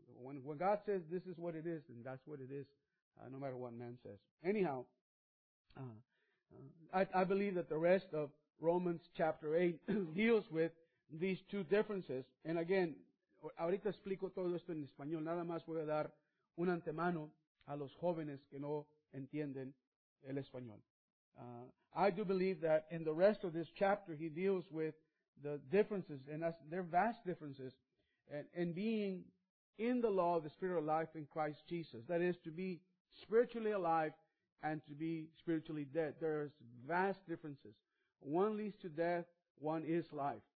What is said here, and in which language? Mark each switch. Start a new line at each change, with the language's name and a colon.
English: When God says this is what it is, then that's what it is, no matter what man says. Anyhow, I believe that the rest of Romans chapter 8 deals with these two differences. And again,
Spanish: ahorita explico todo esto en español. Nada más voy a dar un antemano a los jóvenes que no entienden el español.
English: I do believe that in the rest of this chapter, he deals with the differences, and that's, they're vast differences, and being in the law of the Spirit of life in Christ Jesus. That is, to be spiritually alive and to be spiritually dead. There's vast differences. One leads to death, one is life.